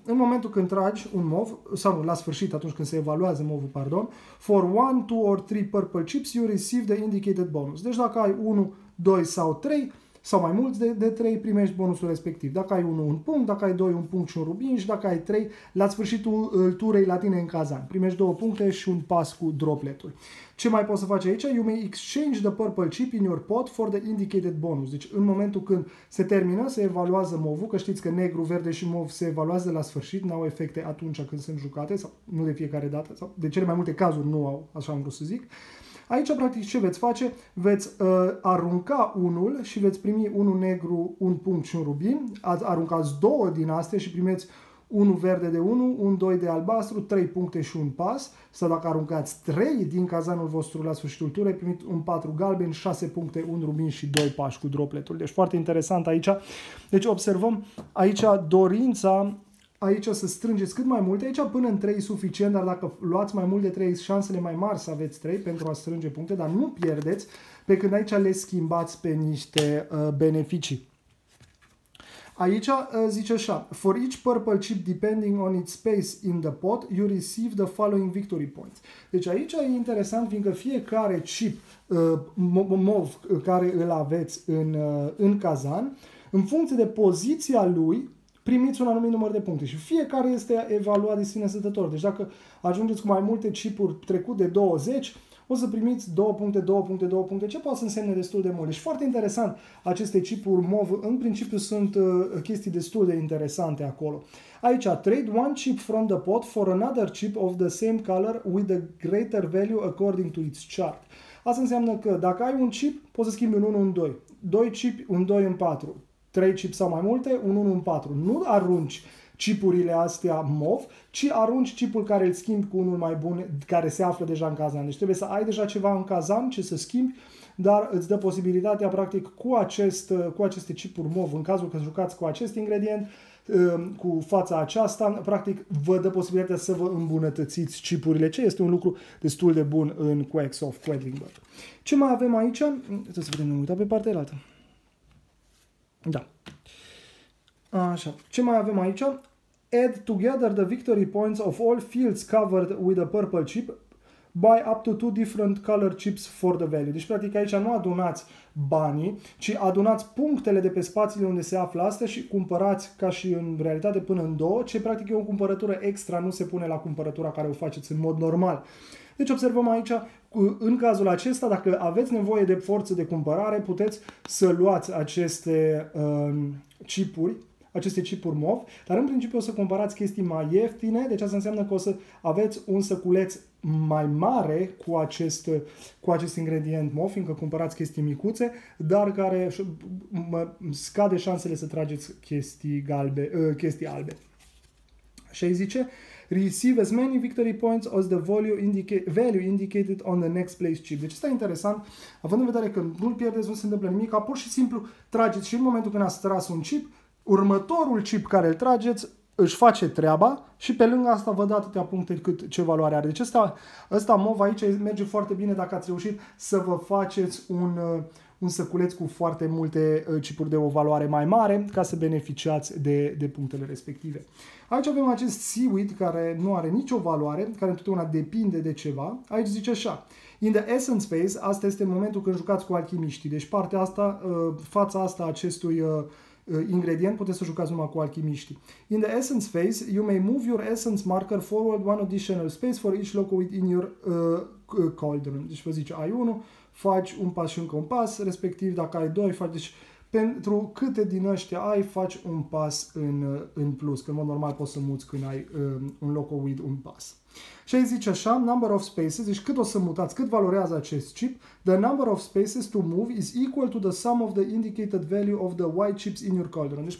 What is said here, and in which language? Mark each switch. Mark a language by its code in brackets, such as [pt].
[ro] În momentul când tragi un mov, sau la sfârșit, atunci când se evaluează movul, pardon, [en] for 1, 2 or 3 purple chips, you receive the indicated bonus. [ro] Deci dacă ai 1, 2 sau 3, sau mai mulți de 3, primești bonusul respectiv. Dacă ai 1, un punct, dacă ai 2, un punct și un rubin, și dacă ai 3, la sfârșitul turei la tine în cazan, primești 2 puncte și un pas cu dropletul. Ce mai poți să faci aici? [en] You may exchange the purple chip in your pot for the indicated bonus. [ro] Deci în momentul când se termină, se evaluează mov-ul, că știți că negru, verde și mov se evaluează la sfârșit, n-au efecte atunci când sunt jucate, sau nu de fiecare dată, sau de cele mai multe cazuri nu au, așa am vrut să zic. Aici, practic, ce veți face? Veți arunca unul și veți primi unul negru, un punct și un rubin. Aruncați două din astea și primeți unul verde de 1, un 2 de albastru, 3 puncte și un pas. Sau dacă aruncați 3 din cazanul vostru la sfârșitul turei, primiți un 4 galben, 6 puncte, un rubin și 2 pași cu dropletul. Deci foarte interesant aici. Deci observăm aici dorința aici să strângeți cât mai multe, aici până în 3 e suficient, dar dacă luați mai mult de 3, șansele mai mari să aveți 3 pentru a strânge puncte, dar nu pierdeți, pe când aici le schimbați pe niște beneficii. Aici zice așa, [en] for each purple chip depending on its space in the pot, you receive the following victory points. [ro] Deci aici e interesant, fiindcă fiecare chip mov care îl aveți în cazan, în funcție de poziția lui, primiți un anumit număr de puncte și fiecare este evaluat de sine stătător. Deci dacă ajungeți cu mai multe chipuri trecut de 20, o să primiți 2 puncte, 2 puncte, 2 puncte, ce poate să însemne destul de mult. Deci foarte interesant, aceste chipuri MOV, în principiu sunt chestii destul de interesante acolo. [en] Aici, trade one chip from the pot for another chip of the same color with the greater value according to its chart. [ro] Asta înseamnă că dacă ai un chip, poți să schimbi un 1 în 2, 2 chipi, un 2 în 4. 3 chip sau mai multe, un 1 în 4. Nu arunci chipurile astea MOV, ci arunci chipul care îl schimbi cu unul mai bun, care se află deja în cazan. Deci trebuie să ai deja ceva în cazan ce să schimbi, dar îți dă posibilitatea, practic, cu aceste chipuri MOV, în cazul că jucați cu acest ingredient, cu fața aceasta, practic, vă dă posibilitatea să vă îmbunătățiți chipurile, ce este un lucru destul de bun în Quacks of Quedlinburg. Ce mai avem aici? Trebuie să vedem, nu uita pe partea alta. Da. Așa. Ce mai avem aici? [en] Add together the victory points of all fields covered with a purple chip by up to two different color chips for the value. [ro] Deci, practic, aici nu adunați banii, ci adunați punctele de pe spațiile unde se află astea și cumpărați, ca și în realitate, până în două, ce, practic, e o cumpărătură extra, nu se pune la cumpărătura care o faceți în mod normal. Deci, observăm aici, în cazul acesta, dacă aveți nevoie de forță de cumpărare, puteți să luați aceste chipuri, aceste chipuri MOV, dar în principiu o să cumpărați chestii mai ieftine, deci asta înseamnă că o să aveți un săculeț mai mare cu acest ingredient MOV, fiindcă cumpărați chestii micuțe, dar care scade șansele să trageți chestii albe. Și aici zice, [en] receive as many victory points as the value indicated on the next place chip. [ro] Deci asta e interesant, având în vedere că nu-l pierdeți, nu se întâmplă nimic, pur și simplu trageți și în momentul când ați tras un chip, următorul chip care îl trageți își face treaba și pe lângă asta vă dă atâtea puncte cât ce valoare are. Deci ăsta MOV aici merge foarte bine dacă ați reușit să vă faceți un săculeț cu foarte multe chipuri de o valoare mai mare ca să beneficiați de punctele respective. Aici avem acest seaweed care nu are nicio valoare, care întotdeauna depinde de ceva. Aici zice așa, [en] in the essence phase, [ro] asta este momentul când jucați cu alchimiștii. Deci partea asta, fața asta acestui ingredient, puteți să jucați numai cu alchimiștii. [en] In the essence phase, you may move your essence marker forward one additional space for each local within your cauldron. [ro] Deci vă zice, ai unul, faci un pas și încă un pas, respectiv dacă ai doi, faci... Deci, pentru câte din ăștia ai, faci un pas în plus, că în mod normal poți să muți când ai un loco with un pas. Și aici zice așa, [en] number of spaces, [ro] deci cât o să mutați, cât valorează acest chip, [en] the number of spaces to move is equal to the sum of the indicated value of the white chips in your cauldron.